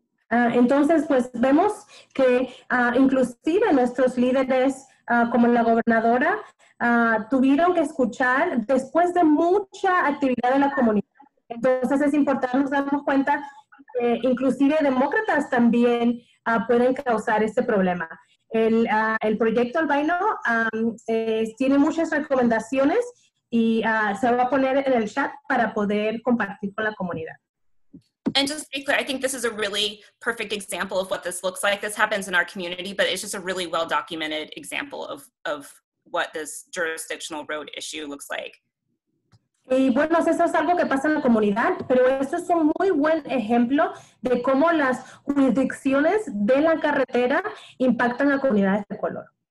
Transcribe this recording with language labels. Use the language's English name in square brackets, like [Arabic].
[Spanish] Entonces, pues vemos que inclusive nuestros líderes, como la gobernadora, tuvieron que escuchar después de mucha actividad en la comunidad. Entonces, es importante nos darnos cuenta que inclusive demócratas también pueden causar este problema. El proyecto albino tiene muchas recomendaciones y se va a poner en el chat para poder compartir con la comunidad. [English] And just to be clear, I think this is a really perfect example of what this looks like. This happens in our community, but it's just a really well-documented example of what this jurisdictional road issue looks like. [Spanish] Y bueno, eso es algo que pasa en la comunidad, pero esto es un muy buen ejemplo de cómo las jurisdicciones de la carretera impactan a comunidades de color.